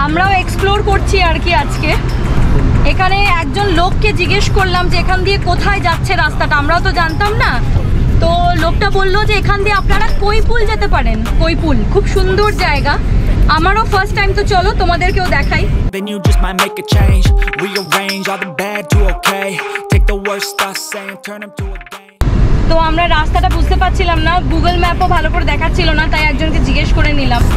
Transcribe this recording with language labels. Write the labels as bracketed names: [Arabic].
[Bangla] আমরাও এক্সপ্লোর করছি আর কি আজকে। এখানে একজন লোককে জিজ্ঞেস করলাম যে এখান দিয়ে কোথায় যাচ্ছে রাস্তাটা, আমরাও তো জানতাম না, তো লোকটা বলল যে এখান দিয়ে আপনারা কৈপুল যেতে পারেন, কৈপুল খুব সুন্দর জায়গা, আমারও ফার্স্ট টাইম, তো চলো তোমাদেরকেও দেখাই। [English] When you just might make a change, rearrange all the bad to okay, take the worst thoughts and turn them to a game. [Bangla] তো আমরা রাস্তাটা বুঝতে পাচ্ছিলাম না, গুগল ম্যাপও ভালো করে দেখাচ্ছিল না, তাই একজনকে জিজ্ঞেস করে নিলাম।